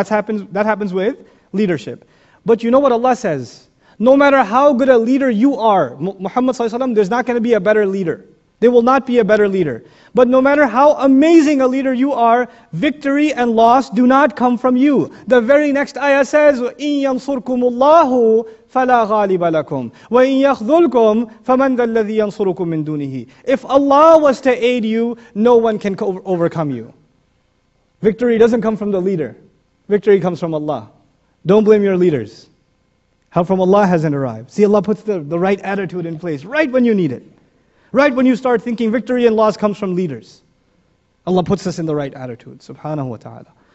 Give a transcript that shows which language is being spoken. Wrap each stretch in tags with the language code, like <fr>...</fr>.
<en>That happens with leadership. But you know what Allah says? No matter how good a leader you are, Muhammad ﷺ, there's not going to be a better leader. There will not be a better leader. But no matter how amazing a leader you are, victory and loss do not come from you. The very next ayah says,</en> <ar>إِن يَنْصُرْكُمُ اللَّهُ فَلَا غَالِبَ لَكُمْ وَإِن يَخْذُلْكُمْ فَمَنْ ذَلَّذِي يَنْصُرُكُمْ مِنْ دُونِهِ.</ar> <en>If Allah was to aid you, no one can overcome you. Victory doesn't come from the leader. Victory comes from Allah. Don't blame your leaders. Help from Allah hasn't arrived. See, Allah puts the right attitude in place right when you need it. Right when you start thinking victory and loss comes from leaders. Allah puts us in the right attitude, subhanahu wa ta'ala.</en>